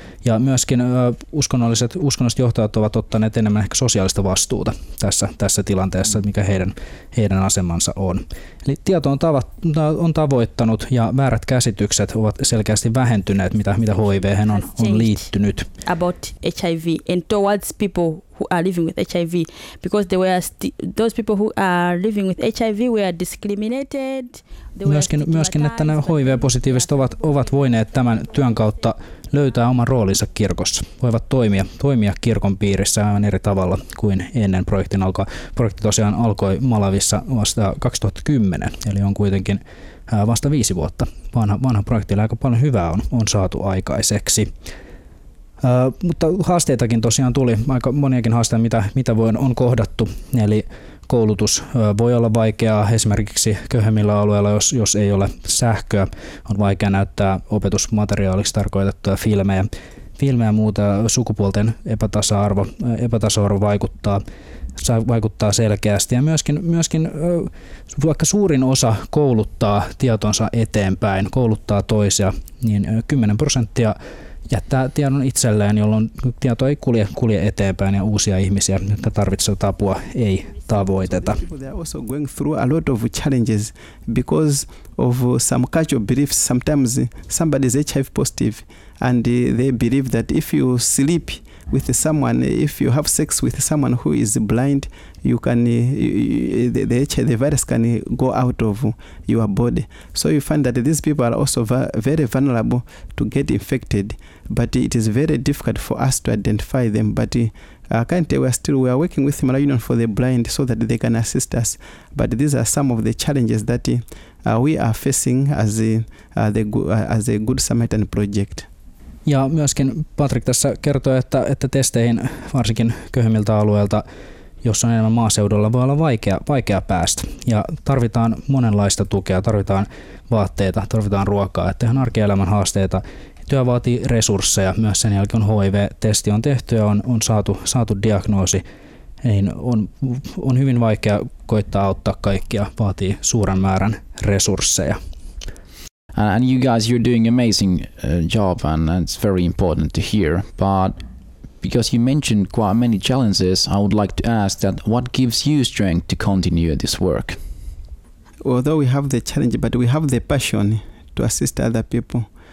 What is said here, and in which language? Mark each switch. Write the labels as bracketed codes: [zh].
[fi] Ja myöskin uskonnolliset johtajat ovat ottaneet enemmän ehkä sosiaalista vastuuta tässä tilanteessa, mikä heidän asemansa on. Eli tieto on tavoittanut ja väärät käsitykset ovat selkeästi vähentyneet, mitä HIV:hen on liittynyt. [en] About HIV and towards people who are living with HIV, because they were those people who are living with HIV were discriminated. [fi] Myöskin että nämä HIV-positiiviset ovat voineet tämän työn kautta löytää oman roolinsa kirkossa, voivat toimia kirkon piirissä aivan eri tavalla kuin ennen projektin alkoa. Projekti tosiaan alkoi Malavissa vasta 2010, eli on kuitenkin vasta 5 vuotta vanha projekti, eli aika paljon hyvää on saatu aikaiseksi. Mutta haasteitakin tosiaan tuli, aika moniakin haasteita, mitä on kohdattu, eli koulutus voi olla vaikeaa esimerkiksi köyhemmillä alueilla, jos ei ole sähköä, on vaikea näyttää opetusmateriaaliksi tarkoitettuja filmejä ja muuta, sukupuolten epätasa-arvo vaikuttaa selkeästi ja myöskin vaikka suurin osa kouluttaa tietonsa eteenpäin, kouluttaa toisia, niin 10% jättää tiedon itselleen, jolloin tieto ei kulje eteenpäin ja uusia ihmisiä, jotka tarvitsevat apua, ei tavoiteta. [en] They are also going through a lot of challenges because of some cultural beliefs. Sometimes somebody is HIV positive and they believe that if you sleep with someone, if you have sex with someone who is blind, you can the virus can go out of your body. So you find that these people are also very vulnerable to get infected, but it is very difficult for us to identify them. But currently we are working with Malawi Union for the Blind so that they can assist us. But these are some of the challenges that we are facing as a Good Samaritan project. [fi] Ja myöskin Patrick tässä kertoi, että testeihin varsinkin köyhemmiltä alueilta, jos on enemmän maaseudulla, voi olla vaikea päästä. Ja tarvitaan monenlaista tukea, tarvitaan vaatteita, tarvitaan ruokaa, että ihan arkielämän haasteita. Työ vaatii resursseja myös sen jälkeen, kun HIV-testi on tehty ja on saatu diagnoosi. Niin on hyvin vaikea koittaa auttaa kaikkia, vaatii suuren määrän resursseja. [en] And you guys, you're doing amazing job, and it's very important to hear. But because you mentioned quite many challenges, I would like to ask that what gives you strength to continue this work? Although we have the challenge, but we have the passion to assist other people.